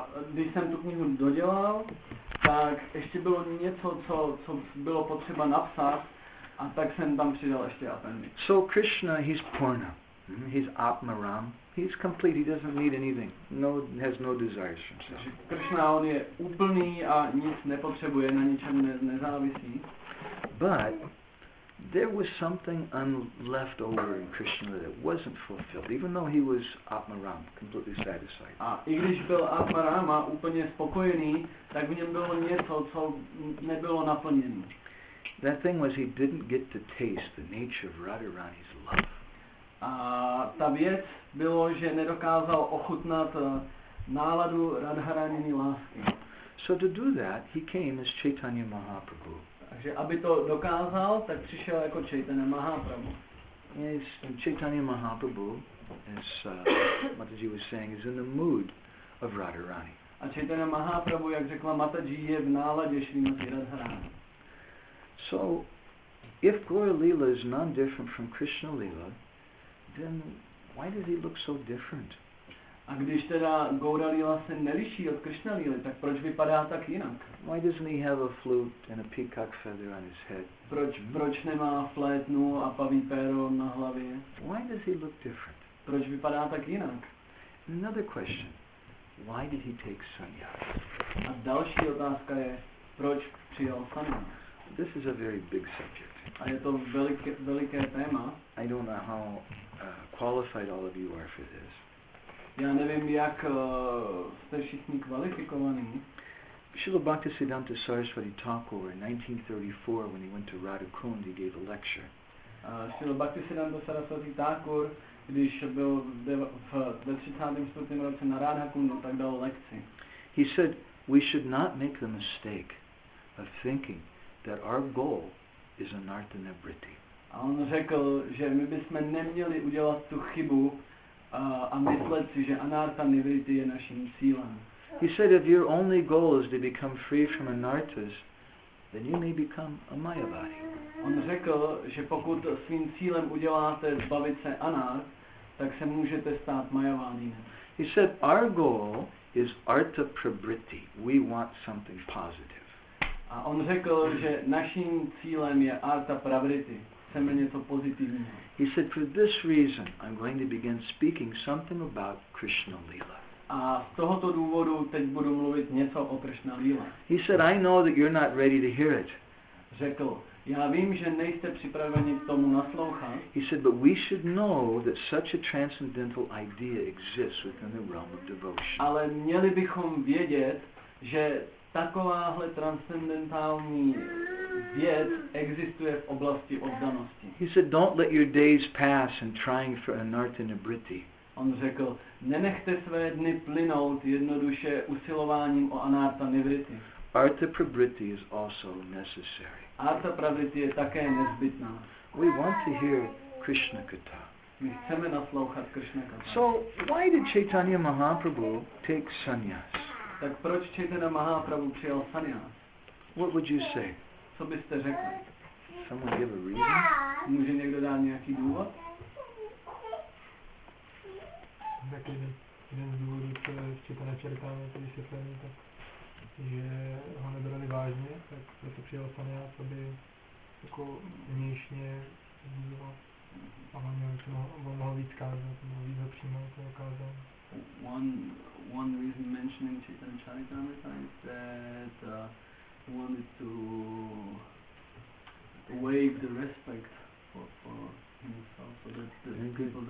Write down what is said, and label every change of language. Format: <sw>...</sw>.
<cs>Když jsem tu knihu dodělal, tak ještě bylo něco, co bylo potřeba napsat, a tak jsem tam přidal ještě appendix.</cs> <en>So Krishna, he's Purna, he's Atmaram, he's complete, he doesn't need anything, has no desires for himself.</en> <cs>Krishna, on je úplný a nic nepotřebuje, na ničem nezávisí.</cs> <en>But there was something left over in Krishna that wasn't fulfilled, even though he was Atmaram, completely satisfied.</en> <cs>A i když byl Atmarama úplně spokojený, tak v něm bylo něco, co nebylo naplněno.</cs> <en>That thing was he didn't get to taste the nature of Radharani's love.</en> <cs>A ta věc bylo, že nedokázal ochutnat náladu Radharaniny lásky.</cs> <en>So to do that, he came as Chaitanya Mahaprabhu.</en> <cs>Takže aby to dokázal, tak přišel jako Chaitanya Mahaprabhu.</cs> <en>Yes, and Chaitanya Mahaprabhu, as Mataji was saying, is in the mood of Radharani.</en> <cs>A Chaitanya Mahaprabhu, jak řekla Mataji, je v náladě Srimati Radharani.</cs> <en>So, if Gaura Lila is non-different from Krishna Lila, then why does he look so different?</en> <cs>A když teda Gaura Lila se neliší od Krishna Lily, tak proč vypadá tak jinak?</cs> <en>Why doesn't he have a flute and a peacock feather on his head?</en> <cs>Proč nemá flétnu a paví péro na hlavě?</cs> <en>Why does he look different?</en> <cs>Proč vypadá tak jinak?</cs> <en>Another question. Why did he take sannyas?</en> <cs>A další otázka je, proč přijal sannyas?</cs> <en>This is a very big subject.</en> <cs>A je to veliké téma.</cs> <en>I don't know how qualified all of you are for this.</en> <cs>Já nevím, jak jste všichni kvalifikovaní.</cs> <en>Srila Bhaktisiddhanta Saraswati Thakur, in 1934, when he went to Radhakund, he gave a lecture.</en> <cs>Srila Bhaktisiddhanta Saraswati Thakur, když byl ve 34. roce na Radhakundu, tak dal lekci.</cs> <en>He said, we should not make the mistake of thinking that our goal is anarthana vritti.</en> <cs>A on řekl, že my bychom neměli udělat tu chybu a myslet si, že anartha nivritti je naším cílem.</cs> <en>He said if your only goal is to become free from anarthas, then you may become a mayavadi.</en> <cs>On řekl, že pokud svým cílem uděláte zbavit se anart, tak se můžete stát mayavadinem.</cs> <en>He said our goal is artha prabritti. We want something positive.</en> <cs>A on řekl, že naším cílem je artha prabritti. Chceme něco pozitivního.</cs> <en>He said for this reason I'm going to begin speaking something about Krishna Lila.</en> <cs>A z tohoto důvodu teď budu mluvit něco o Krishna Lila.</cs> <en>He said, I know that you're not ready to hear it.</en> <cs>Řekl, já vím, že nejste připraveni k tomu naslouchat.</cs> <en>He said, but we should know that such a transcendental idea exists within the realm of devotion.</en> <cs>Ale měli bychom vědět, že takováhle transcendentální věc existuje v oblasti oddanosti.</cs> <en>He said, don't let your days pass in trying for anartha nivritti.</en> <cs>On řekl, nenechte své dny plynout jednoduše usilováním o anartha nivritti.</cs> <en>Artha prabritti is also necessary.</en> <cs>Artha prabritti je také nezbytná.</cs> <en>We want to hear Krishna katha.</en> <cs>My chceme naslouchat Krishna katha.</cs> <en>So why did Chaitanya Mahaprabhu take sannyas?</en> <cs>Tak proč Chaitanya Mahaprabhu přijal sannyas?</cs> <en>What would you say?</en> <cs>Co byste řekli?</cs> <en>Someone give a reason?</en> <cs>Může někdo dát nějaký důvod? Tak jeden z důvodů, co včetně načerpáme to vysvětlení, tak že ho nebrali vážně, tak proto přijel sannyas, aby jako vnějšně a on mohl víc kázat, mohl víc ho přijmout a kázat.</cs> <en>One reason mentioning Chaitanya Charitamrita is that he wanted to waive the respect for himself, so that the very people good.</en>